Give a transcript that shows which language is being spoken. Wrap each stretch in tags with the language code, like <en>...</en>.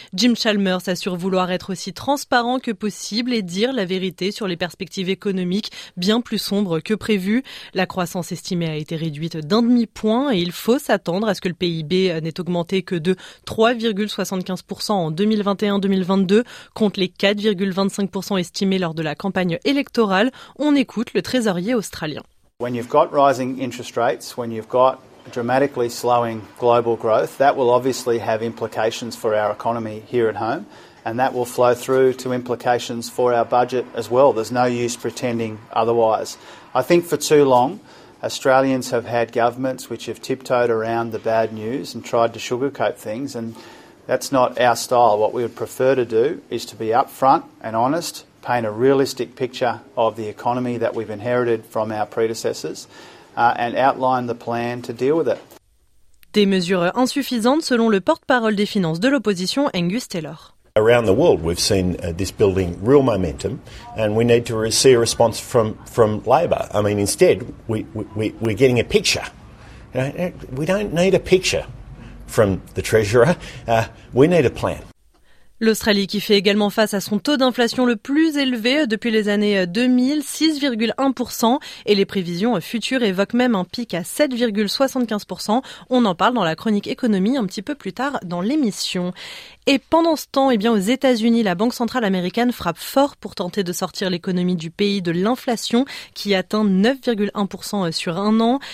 <fr>Jim Chalmers assure vouloir être aussi transparent que possible et dire la vérité sur les perspectives économiques bien plus sombres que prévues. La croissance estimée a été réduite d'un demi-point et il faut s'attendre à ce que le PIB n'ait augmenté que de 3,75% en 2021-2022 contre les 4,25% estimés lors de la campagne électorale. On écoute le trésorier australien.</fr> <en>When you've got rising interest rates, when you've got dramatically slowing global growth, that will obviously have implications for our economy here at home, and that will flow through to implications for our budget as well. There's no use pretending otherwise. I think for too long, Australians have had governments which have tiptoed around the bad news and tried to sugarcoat things, and that's not our style. What we would prefer to do is to be upfront and honest, paint a realistic picture of the economy that we've inherited from our predecessors, and outline the plan to deal with it.</en> <fr>Des mesures insuffisantes selon le porte-parole des finances de l'opposition, Angus Taylor.</fr> <en>Around the world, we've seen this building real momentum, and we need to see a response from Labor. I mean, instead, we're getting a picture. You know, we don't need a picture from the Treasurer. We need a plan.</en> <fr>L'Australie qui fait également face à son taux d'inflation le plus élevé depuis les années 2000, 6,1%. Et les prévisions futures évoquent même un pic à 7,75%. On en parle dans la chronique économie un petit peu plus tard dans l'émission. Et pendant ce temps, eh bien aux États-Unis, la Banque centrale américaine frappe fort pour tenter de sortir l'économie du pays de l'inflation qui atteint 9,1% sur un an.</fr>